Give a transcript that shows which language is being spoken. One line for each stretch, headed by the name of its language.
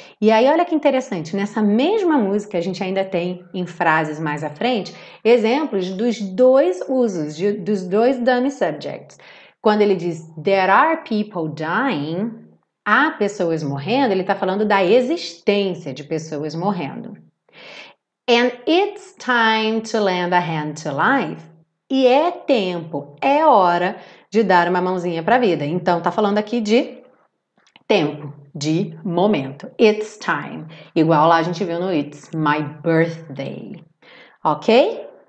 Portuguese: E aí, olha que interessante, nessa mesma música a gente ainda tem em frases mais à frente exemplos dos dois usos, dos dois dummy subjects. Quando ele diz
English: there are people dying,
Portuguese: há pessoas morrendo, ele está falando da existência de pessoas morrendo.
English: And it's time to lend a hand to life.
Portuguese: E é tempo, é hora de dar uma mãozinha para a vida. Então, está falando aqui de tempo. De momento.
English: It's time.
Portuguese: Igual lá a gente viu no
English: It's my birthday.
Portuguese: Ok?